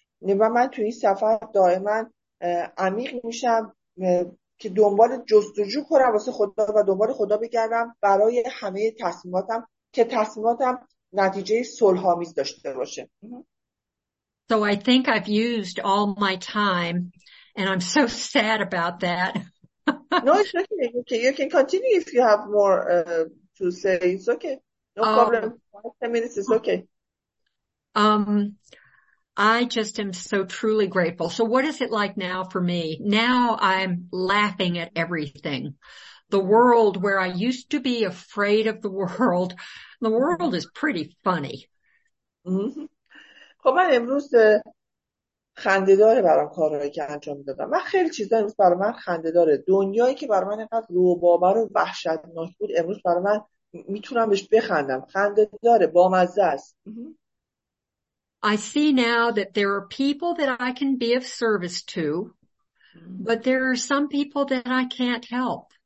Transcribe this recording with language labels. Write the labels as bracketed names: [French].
[Persian] و من توی این سفر دائما عمیق میشم که دنبال جستجو کنم واسه خدا و دنبال خدا بگردم برای همه تصمیماتم، که تصمیماتم نتیجه صلح‌آمیز داشته باشه. [English] So I think I've used all my time and I'm so sad about that. No, it's okay. Okay, you can continue if you have more to say. It's okay. No problem. 5-10 minutes is okay. I just am so truly grateful. So what is it like now for me? Now I'm laughing at everything. The world where I used to be afraid of the world is pretty funny. [Persian] خب من امروز خنده‌داره برام کارهایی که انجام دادم. من خیلی چیزا امروز برای من خنده‌داره. دنیایی که برای من اینقدر روباور و وحشتناک بود امروز برای من میتونم بهش بخندم. خنده‌داره، بامزه است. [English] I see now that there are people that I can be of service to, but there are some people that I can't help.